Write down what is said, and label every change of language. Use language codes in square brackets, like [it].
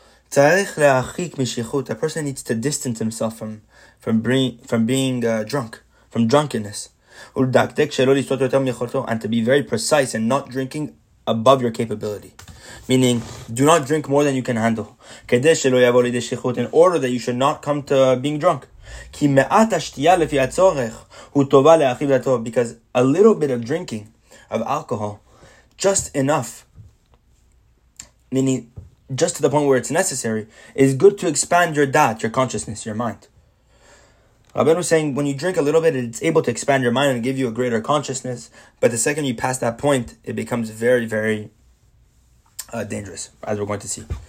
[he] צריך להרחיק משיחות. [en] A person needs to distance himself from being drunk, from drunkenness. [he] ולדקדק שלא לשתות יותר מיכולתו, [en] and to be very precise and not drinking above your capability. Meaning, do not drink more than you can handle. [he] כדי שלא יבוא לידי שיחות, [en] in order that you should not come to being drunk. [he] כי מעט השתייה לפי הצורך הוא טובה לאחיו לטוב. [en] Because a little bit of drinking of alcohol, just enough, meaning just to the point where it's necessary, is good to expand your dat, your consciousness, your mind. Rabbeinu was saying, when you drink a little bit, it's able to expand your mind and give you a greater consciousness, but the second you pass that point, it becomes very, very dangerous, as we're going to see.